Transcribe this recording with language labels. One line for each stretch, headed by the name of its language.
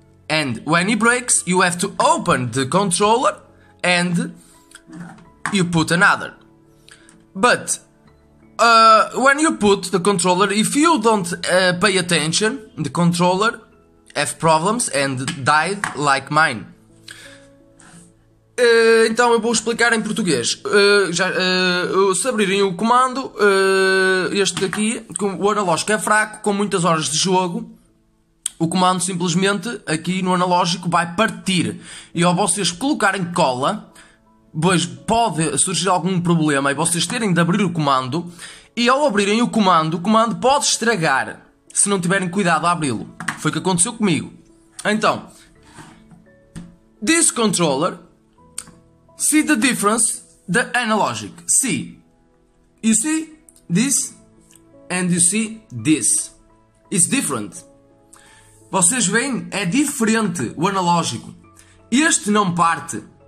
English: And when it breaks, you have to open the controller and you put another. But when you put the controller, if you don't pay attention, the controller have problems and died like mine.
Portuguese: Então eu vou explicar em português. Se abrirem o comando, este aqui, o analógico é fraco, com muitas horas de jogo. o comando simplesmente, aqui no analógico, vai partir. E ao vocês colocarem cola, pois pode surgir algum problema e vocês terem de abrir o comando. E ao abrirem o comando pode estragar, se não tiverem cuidado a abri-lo. Foi o que aconteceu comigo. Então,
English: this controller, see the difference, the analogic, see. You see this and you see this. It's different.
Portuguese: Vocês veem, é diferente o analógico. Este não parte.